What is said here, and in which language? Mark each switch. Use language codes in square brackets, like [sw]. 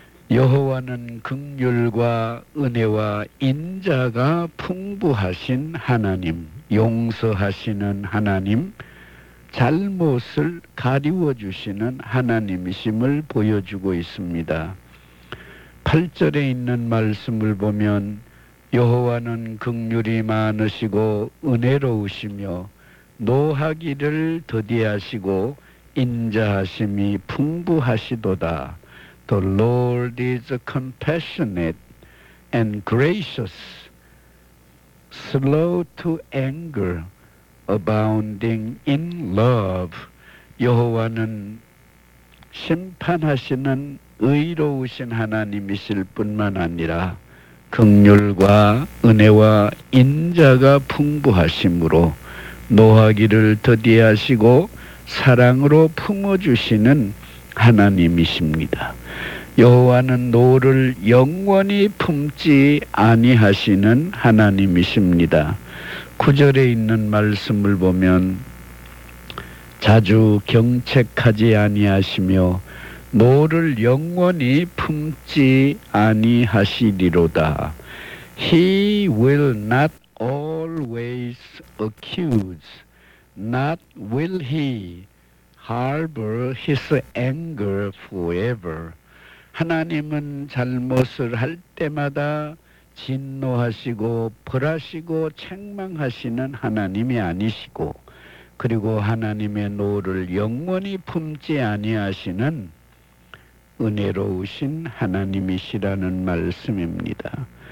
[ko] 여호와는 긍휼과 은혜와 인자가 풍부하신 하나님, 용서하시는 하나님, 잘못을 가리워주시는 하나님이심을 보여주고 있습니다. 8절에 있는 말씀을 보면 여호와는 긍휼이 많으시고 은혜로우시며 노하기를 더디하시고 인자하심이 풍부하시도다. [en] The Lord is compassionate and gracious, slow to anger, abounding in love. [ko] 여호와는 심판하시는 의로우신 하나님이실 뿐만 아니라 긍휼과 은혜와 인자가 풍부하심으로 노하기를 더디하시고 사랑으로 품어주시는 하나님이십니다. 여호와는 노를 영원히 품지 아니하시는 하나님이십니다. 9절에 있는 말씀을 보면 자주 경책하지 아니하시며 노를 영원히 품지 아니하시리로다. [en] He will not always accuse, not will he harbor his anger forever. [ko] 하나님은 잘못을 할 때마다 진노하시고 벌하시고 책망하시는 하나님이 아니시고 그리고 하나님의 노를 영원히 품지 아니하시는 은혜로우신 하나님이시라는 말씀입니다.